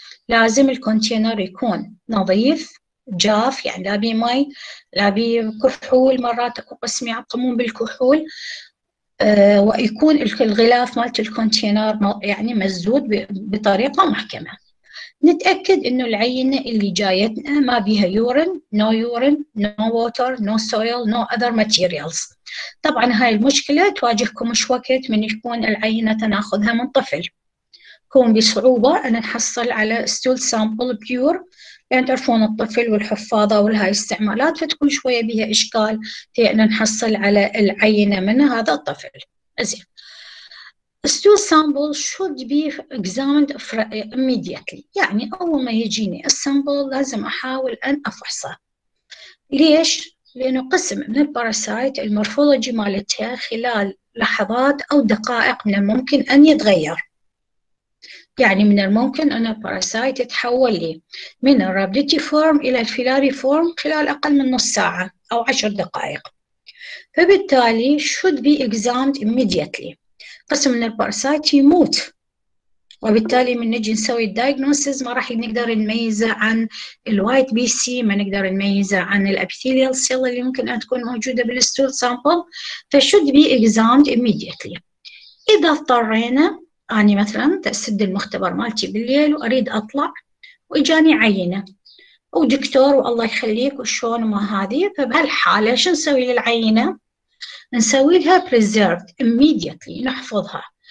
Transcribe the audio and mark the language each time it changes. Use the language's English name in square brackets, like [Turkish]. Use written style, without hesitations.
[Arabic] لازم الكونتينر يكون نظيف جاف، يعني لا بي مي لا بي كحول، مرات اكو قسم يعقمون بالكحول، ويكون الغلاف مالت الكونتينر يعني مسدود بطريقه محكمه. نتأكد إنه العينة اللي جايتنا ما بيها يورين، [English] no urine, no water, no soil, no other materials. [Arabic] طبعاً هاي المشكلة تواجهكم مش وقت من يكون العينة تناخذها من طفل، يكون بصعوبة أن نحصل على [English] stool sample pure، [Arabic] لأن تعرفون الطفل والحفاظة والهاي استعمالات، فتكون شوية بيها إشكال في أن نحصل على العينة من هذا الطفل. أزين. [English] Stool sample should be examined immediately. [Arabic] يعني أول ما يجيني السامبل لازم أحاول أن أفحصه. ليش؟ لأنه قسم من الباراسايت المورفولوجي مالتها خلال لحظات أو دقائق من الممكن أن يتغير. يعني من الممكن أن الباراسايت يتحول لي من الرابديتي فورم إلى الفيلاري فورم خلال أقل من نص ساعة أو 10 دقائق. فبالتالي [English] should be examined immediately. [Arabic] قسم من الباراسايت يموت، وبالتالي من نجي نسوي الدايجنوسيس ما راح نقدر نميزه عن الوايت بي سي، ما نقدر نميزه عن الابيثيليال سيل اللي ممكن أن تكون موجودة بالستول سامبل. فشود بي [English] examined immediately. [Arabic] إذا اضطرينا أنا مثلا أسد المختبر مالتي بالليل وأريد أطلع وإجاني عينة أو دكتور والله يخليك وشون ما هذه، فبهالحالة شو نسوي للعينة؟ نسوي لها [English] preserved immediately، [Arabic] نحفظها.